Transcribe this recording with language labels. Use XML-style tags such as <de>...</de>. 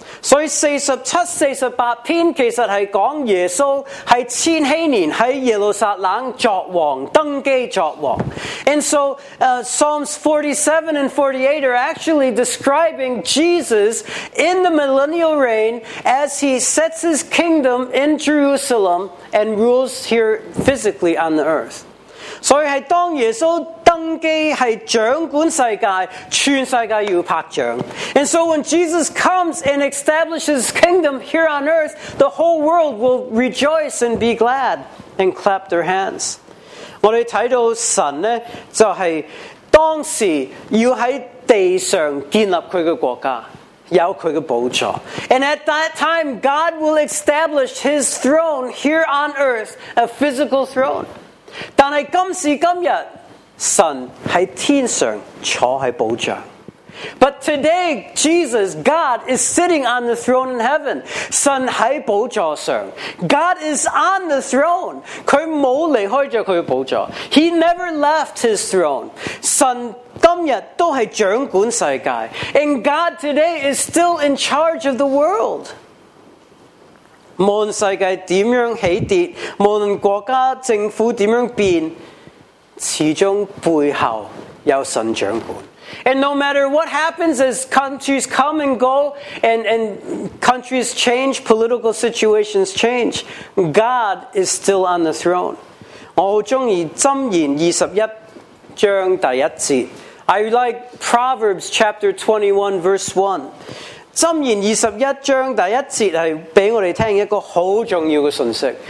<zh>所以47篇其实是讲耶稣在千禧年在耶路撒冷作王登基作王</zh> <en>And so Psalms 47 and 48 are actually describing Jesus in the millennial reign as he sets his kingdom in Jerusalem and rules here physically on the earth.</en> <zh>所以是当耶稣登基是掌管世界，全世界要拍掌。</zh> <en>And so when Jesus comes and establishes kingdom here on earth, the whole world will rejoice and be glad and clapped their hands.</en> <zh>我们看到神呢，就是当时要在地上建立祂的国家，有祂的宝座。</zh> <en>And at that time, God will establish His throne here on earth, a physical throne.</en> <zh>但是今时今日，神在天上坐在宝座。</zh> <en>But today, Jesus, God, is sitting on the throne in heaven.</en> <zh>神在宝座上,</zh> <en>God is on the throne.</en> <zh>祂没有离开着祂的宝座,</zh> <en>He never left His throne.</en> <zh>神今日都是掌管世界,</zh> <en>and God today is still in charge of the world.</en> <zh>无论世界怎样起跌, 无论国家政府怎样变, 始终背后有神掌管。</zh> <en>And no matter what happens as countries come and go and countries change, political situations change, God is still on the throne.</en> <zh>我很喜欢箴言21章第一节。</zh> <en>I like Proverbs chapter 21 verse 1.</en> <zh>箴言21章第一节是给我们听一个很重要的信息。</zh>